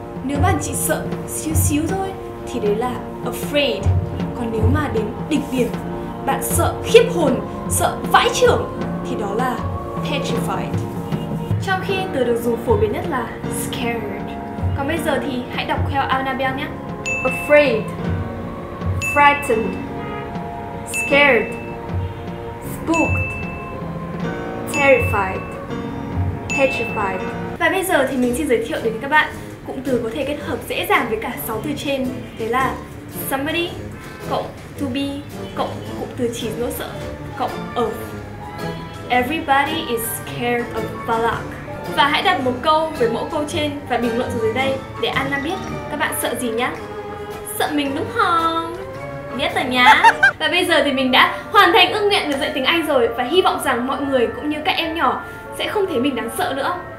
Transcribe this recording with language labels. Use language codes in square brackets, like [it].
[vi] Nếu bạn chỉ sợ xíu xíu thôi thì đấy là afraid. Còn nếu mà đến đỉnh điểm, bạn sợ khiếp hồn, sợ vãi chưởng thì đó là petrified. trong khi từ được dùng phổ biến nhất là scared. Còn bây giờ thì hãy đọc theo Annabelle nhé. [en] Afraid, frightened, scared, spooked, terrified, petrified. [vi] Và bây giờ thì mình xin giới thiệu đến các bạn cụm từ có thể kết hợp dễ dàng với cả 6 từ trên, đấy là somebody cộng to be cộng cụm từ chỉ nỗi sợ cộng of. [en] Everybody is scared of Balak. [vi] Và hãy đặt một câu với mỗi câu trên và bình luận dưới đây để Anna biết các bạn sợ gì nhá. Sợ mình đúng không? Biết rồi nhá. Và bây giờ thì mình đã hoàn thành ước nguyện được dạy tiếng Anh rồi và hy vọng rằng mọi người cũng như các em nhỏ sẽ không thấy mình đáng sợ nữa.